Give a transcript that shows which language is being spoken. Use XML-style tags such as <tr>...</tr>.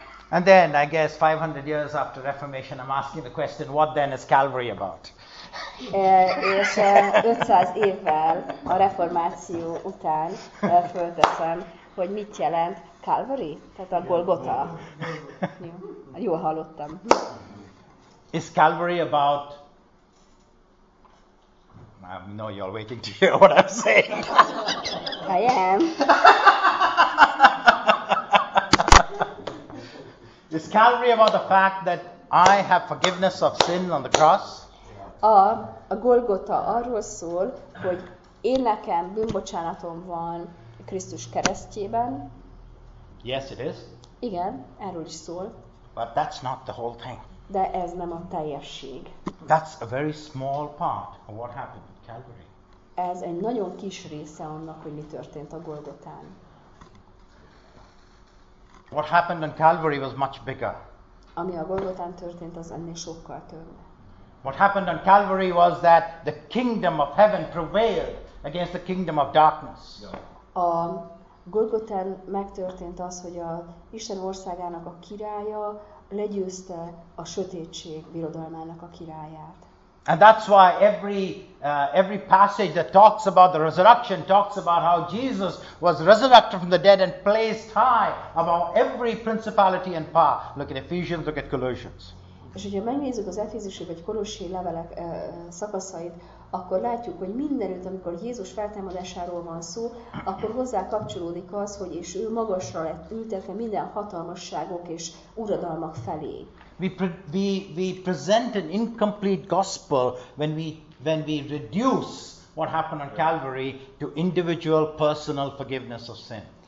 <en>And then, I guess 500 years after Reformation, I'm asking the question, what then is Calvary about?</en> <hu>És 500 évvel a reformáció után fölteszem, hogy mit jelent Calvary? Tehát a Golgota. Jól hallottam.</hu> <en>Is Calvary about... I know you're waiting to hear what I'm saying. I am. Is Calvary about the fact that I have forgiveness of sin on the cross?</en> <hu>A Golgota arról szól, hogy én nekem bűnbocsánatom van Krisztus keresztjében.</hu> <en>Yes, it is.</en> <hu>Igen, erről is szól.</hu> <en>But that's not the whole thing.</en> <hu>De ez nem a teljesség.</hu> <en>That's a very small part of what happened at Calvary.</en> <hu>Ez egy nagyon kis része annak, hogy mi történt a Golgotán.</hu> <en>What happened on Calvary was much bigger.</en> <hu>Ami a Golgotán történt, az ennél sokkal több.</hu> <en>What happened on Calvary was that the kingdom of heaven prevailed against the kingdom of darkness.</en> <hu>A Golgotán megtörtént az, hogy a Isten országának a királya legyőzte a sötétség birodalmának a királyát.</hu> <en>And that's why every passage that talks about the resurrection talks about how Jesus was resurrected from the dead and placed high above every principality and power. Look at Ephesians, look at Colossians.</en> <hu>És hogyha megnézzük az Efézusi vagy Kolossi levelek szakaszait, akkor látjuk, hogy mindenütt, amikor Jézus feltámadásáról van szó, akkor hozzá kapcsolódik az, hogy és ő magasra lett ültetve minden hatalmasságok és uradalmak felé.</hu> <en>We present an incomplete gospel when we reduce what happened on Calvary to individual personal forgiveness of sin.</en>